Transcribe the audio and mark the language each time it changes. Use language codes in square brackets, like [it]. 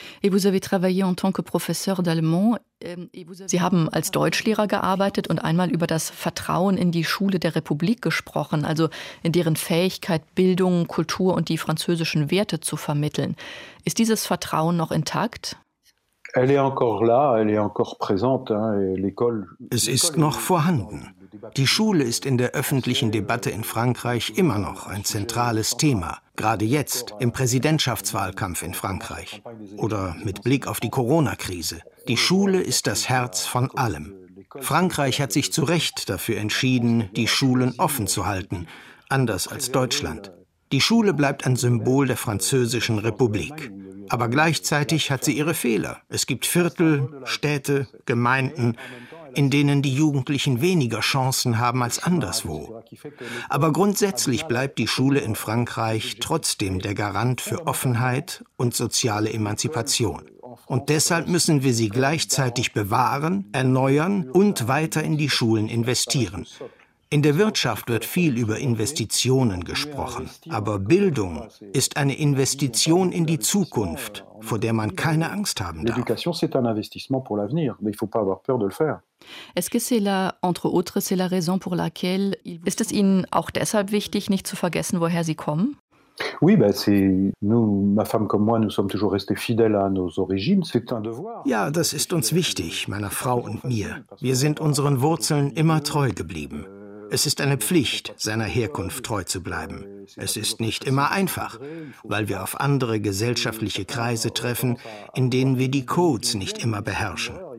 [fr] Et vous avez travaillé en tant que professeur d'allemand. [de] Sie haben als Deutschlehrer gearbeitet und einmal über das Vertrauen in die Schule der Republik gesprochen, also in deren Fähigkeit, Bildung, Kultur und die französischen Werte zu vermitteln. Ist dieses Vertrauen noch intakt? [fr] Elle est encore là, elle est encore présente, hein, et l'école. [de] Es ist noch vorhanden. Die Schule ist in der öffentlichen Debatte in Frankreich immer noch ein zentrales Thema, gerade jetzt im Präsidentschaftswahlkampf in Frankreich oder mit Blick auf die Corona-Krise. Die Schule ist das Herz von allem. Frankreich hat sich zu Recht dafür entschieden, die Schulen offen zu halten, anders als Deutschland. Die Schule bleibt ein Symbol der Französischen Republik. Aber gleichzeitig hat sie ihre Fehler. Es gibt Viertel, Städte, Gemeinden, in denen die Jugendlichen weniger Chancen haben als anderswo. Aber grundsätzlich bleibt die Schule in Frankreich trotzdem der Garant für Offenheit und soziale Emanzipation. Und deshalb müssen wir sie gleichzeitig bewahren, erneuern und weiter in die Schulen investieren. In der Wirtschaft wird viel über Investitionen gesprochen, aber Bildung ist eine Investition in die Zukunft, vor der man keine Angst haben darf. [fr] L'éducation c'est un investissement pour l'avenir, mais il faut pas avoir peur de le faire. Est-ce que c'est la entre autres c'est la raison pour laquelle [de] ist es Ihnen auch deshalb wichtig, nicht zu vergessen, woher Sie kommen? [fr] Oui, ben c'est nous, ma femme comme moi, nous sommes toujours restés fidèles à nos origines. C'est un devoir. [de] Ja, das ist uns wichtig, meiner Frau und mir. Wir sind unseren Wurzeln immer treu geblieben. Es ist eine Pflicht, seiner Herkunft treu zu bleiben. Es ist nicht immer einfach, weil wir auf andere gesellschaftliche Kreise treffen, in denen wir die Codes nicht immer beherrschen.